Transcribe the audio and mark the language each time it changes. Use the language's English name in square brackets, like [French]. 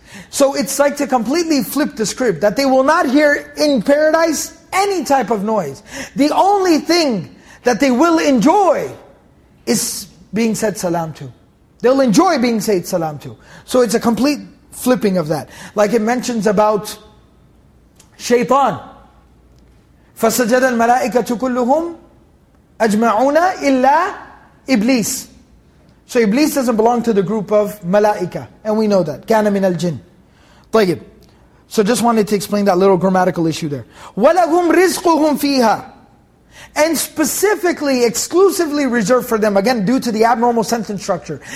[English] So it's like to completely flip the script, that they will not hear in paradise any type of noise. The only thing that they will enjoy is being said salam to. They'll enjoy being said salam to. So it's a complete flipping of that. Like it mentions about shaitan. [Arabic] فَسَجَدَ الْمَلَائِكَةُ كُلُّهُمْ أَجْمَعُونَ إِلَّا Iblis. [English] So Iblis doesn't belong to the group of Malaika. And we know that. [Arabic] كَانَ مِنَ الْجِنِ طيب. [English] So just wanted to explain that little grammatical issue there. [Arabic] وَلَهُمْ رِزْقُهُمْ فِيهَا. [English] And specifically, exclusively reserved for them. Again, due to the abnormal sentence structure.